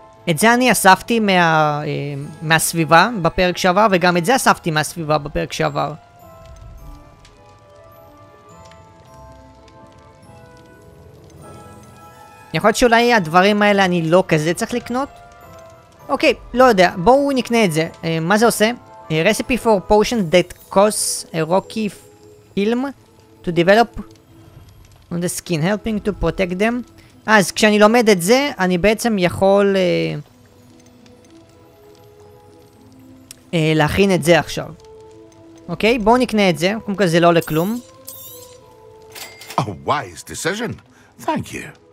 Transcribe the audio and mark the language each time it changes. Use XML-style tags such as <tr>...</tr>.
<he>את זה אני אספתי מהסביבה בפרק שעבר, וגם את זה אספתי מהסביבה בפרק שעבר. יכול להיות שאולי הדברים האלה אני לא כזה צריך לקנות? אוקיי, לא יודע, בואו נקנה את זה. מה זה עושה?</he> <en>A recipe for potion that costs a rocky film to develop on the skin, helping to protect them.</en> <he>אז כשאני לומד את זה, אני בעצם יכול להכין את זה עכשיו. אוקיי, בואו נקנה את זה. קודם כל זה לא לכלום.</he> <en>A wise decision. Thank you.</en>